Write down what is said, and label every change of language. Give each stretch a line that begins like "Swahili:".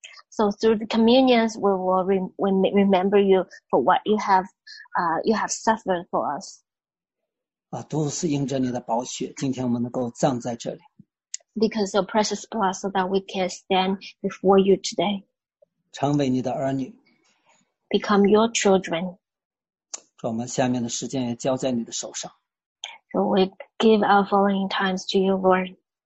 English: So through the communions, we will remember you for what you have suffered for us.
Chinese: 啊，都是因着你的宝血，今天我们能够站在这里。
English: Because of precious blood, so that we can stand before you today.
Chinese: 成为你的儿女。
English: Become your children.
Chinese: 我们下面的时间也交在你的手上。
English: So we give our following times to you, Lord.